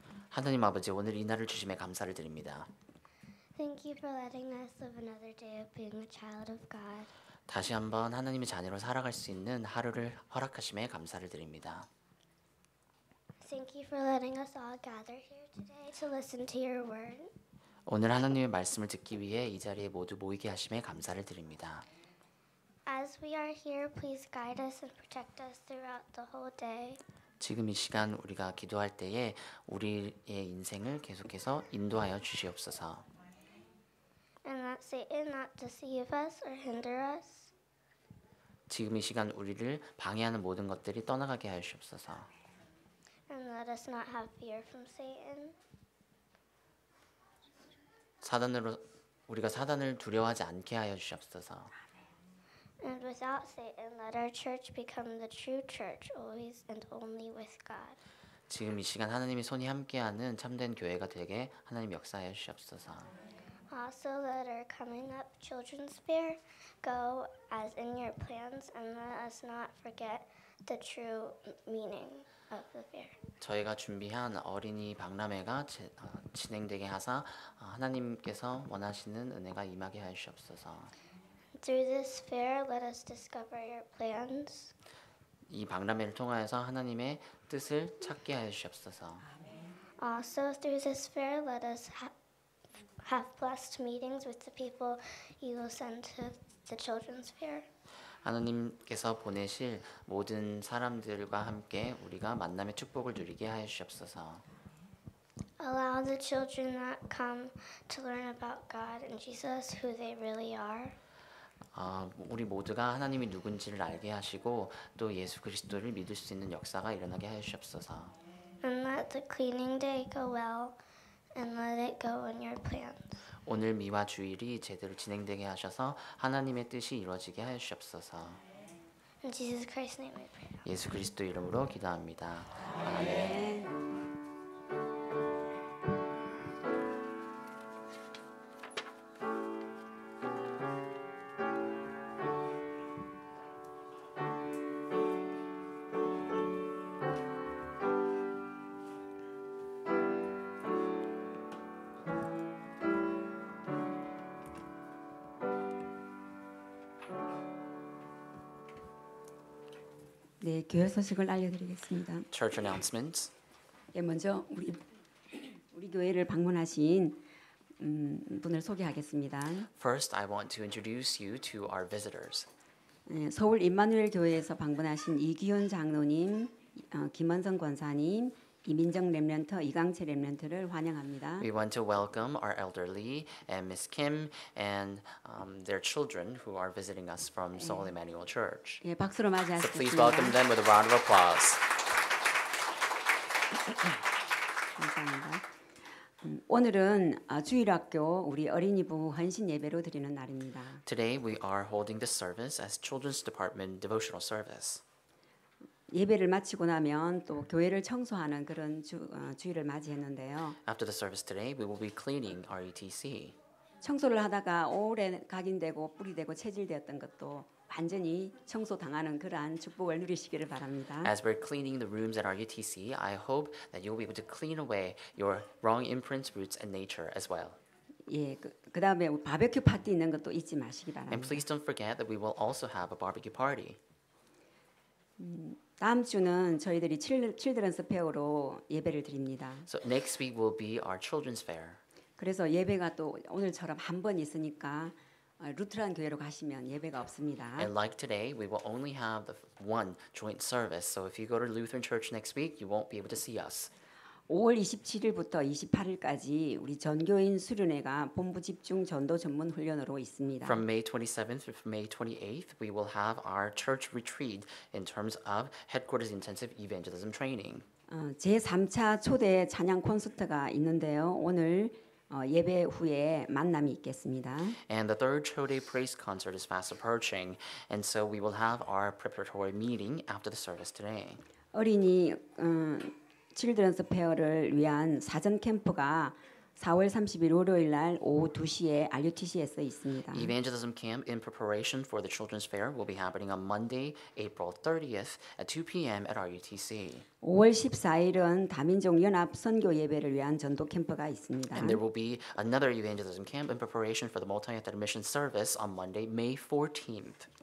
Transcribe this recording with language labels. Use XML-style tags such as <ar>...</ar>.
<ko>하나님 아버지, 오늘 이날을 주심에 감사를 드립니다.</ko> <en>Thank you for letting us live another day of being a child of God.</en> <ko>다시 한번 하나님의 자녀로 살아갈 수 있는 하루를 허락하심에 감사를 드립니다.</ko> <en>Thank you for letting us all gather here today to listen to your word.</en> <ko>오늘 하나님의 말씀을 듣기 위해 이 자리에 모두 모이게 하심에 감사를 드립니다.</ko> <en>As we are here, please guide us and protect us throughout the whole day.</en> <ko>지금 이 시간 우리가 기도할 때에 우리의 인생을 계속해서 인도하여 주시옵소서.</ko> <en>And let Satan not deceive us or hinder us.</en> <ko>지금 이 시간 우리를 방해하는 모든 것들이 떠나가게 하시옵소서.</ko> <en>And let us not have fear from Satan.</en> <ko>사단으로 우리가 사단을 두려워하지 않게 하여 주시옵소서.</ko> <en>And without Satan, let our church become the true church, always and only with God.</en> <ko>지금 이 시간 하나님이 손이 함께하는 참된 교회가 되게 하나님 역사하여 주시옵소서. 아,</ko> <en>also that are coming up children's fair, go as in your plans and let us not forget the true meaning of the fair.</en> <ko>저희가 준비한 어린이 박람회가 진행되게 하사 하나님께서 원하시는 은혜가 임하게 하시옵소서.</ko> <en>Through this fair, let us discover your plans.</en> <ko>이 박람회를 통하여서 하나님의 뜻을 찾게 하시옵소서.</ko> <en>Also through this fair, let us have blessed meetings with the people you will send to the children's fair.</en> <ko>하나님께서 보내실 모든 사람들과 함께 우리가 만남의 축복을 누리게 하시옵소서.</ko> <en>Allow the children that come to learn about God and Jesus, who they really are.</en> <ko>우리 모두가 하나님이 누군지를 알게 하시고 또 예수 그리스도를 믿을 수 있는 역사가 일어나게 하시옵소서.</ko> <en>And let the cleaning day go well and let it go on your plans.</en> <ko>오늘 미와 주일이 제대로 진행되게 하셔서 하나님의 뜻이 이루어지게 하시옵소서.</ko> <en>In Jesus Christ's name I pray.</en> <ko>예수 그리스도 이름으로 기도합니다. 아멘. 네, 교회 소식을 알려드리겠습니다.</ko> <en>Church announcements.</en> <ko>예, 먼저 우리 교회를 방문하신 분을 소개하겠습니다.</ko> <en>First, I want to introduce you to our visitors.</en> <ko>네, 서울 임마누엘 교회에서 방문하신 이기훈 장로님, 김원성 권사님, 이민정 렘런터, 이강채 렘런터를 환영합니다.</ko> <en>We want to welcome our elderly and Miss Kim and their children who are visiting us from Seoul Emmanuel Church.</en> <ko>예, 박수로 맞이하시겠습니다.</ko> <en>So please welcome them with a round of applause.</en> <ko>감사합니다. 오늘은 주일학교 우리 어린이부 헌신 예배로 드리는 날입니다.</ko> <en>Today we are holding this service as Children's Department devotional service.</en> <ko>예배를 마치고 나면 또 교회를 청소하는 그런 주일을 맞이했는데요.</ko> <en>After the service today, we will be cleaning our ETC.</en> <ko>청소를 하다가 오래 각인되고 뿌리되고 체질되었던 것도 완전히 청소 당하는 그러한 축복을 누리시기를 바랍니다.</ko> <en>As we're cleaning the rooms at our ETC, I hope that you'll be able to clean away your wrong imprints, roots, and nature as well.</en> <ko>예, 그 다음에 바베큐 파티 있는 것도 잊지 마시기 바랍니다.</ko> <en>And please don't forget that we will also have a barbecue party.</en> <ko>다음 주는 저희들이 Children's Fair로 예배를 드립니다.</ko> <en>So next week will be our Children's Fair.</en> <ko>그래서 예배가 또 오늘처럼 한 번 있으니까 루트란 교회로 가시면 예배가 없습니다.</ko> <en>And like today, we will only have the one joint service. So if you go to Lutheran Church next week, you won't be able to see us.</en> <ko>5월 27일부터 28일까지 우리 전교인 수련회가 본부 집중 전도 전문 훈련으로 있습니다.</ko> <en>From May 27th to May 28th, we will have our church retreat in terms of headquarters intensive evangelism training.</en> <ko>제3차 초대 찬양 콘서트가 있는데요. 오늘 예배 후에 만남이 있겠습니다.</ko> <en>And the third Chode praise concert is fast approaching, and so we will have our preparatory meeting after the service today.</en> <ko>어린이 Children's Fair를 위한 사전 캠프가 4월 30일 월요일 날 오후 2시에 RUTC에서 있습니다.</ko> <en>Evangelism camp in preparation for the Children's Fair will be happening on Monday, April 30th at 2 p.m. at RUTC.</en> <ko>5월 14일은 다민족 연합 선교 예배를 위한 전도 캠프가 있습니다.</ko> <en>And there will be another evangelism camp in preparation for the multi-ethnic mission service on Monday, May 14th.</en>